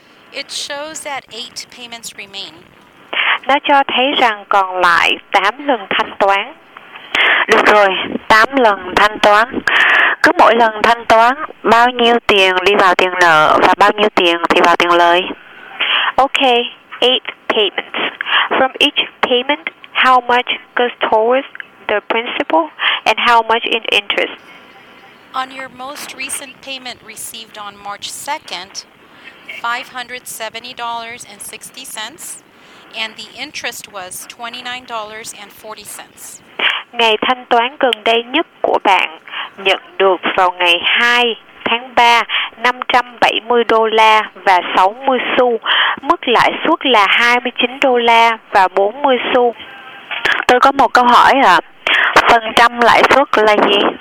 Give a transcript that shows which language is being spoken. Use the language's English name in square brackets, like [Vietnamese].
[English] It shows that 8 payments remain. [Vietnamese] Nó cho thấy rằng còn lại 8 lần thanh toán. Được rồi, 8 lần thanh toán. Cứ mỗi lần thanh toán, bao nhiêu tiền đi vào tiền nợ và bao nhiêu tiền thì vào tiền lời? [English] Okay, 8 payments. From each payment, how much goes towards the principal and how much in interest? On your most recent payment received on March 2nd, $570.60, and the interest was $29.40. [Vietnamese] Ngày thanh toán gần đây nhất của bạn nhận được vào ngày 2 tháng 3, $570.60. Mức lãi suất là $29.40. Tôi có một câu hỏi ạ. Phần trăm lãi suất là gì?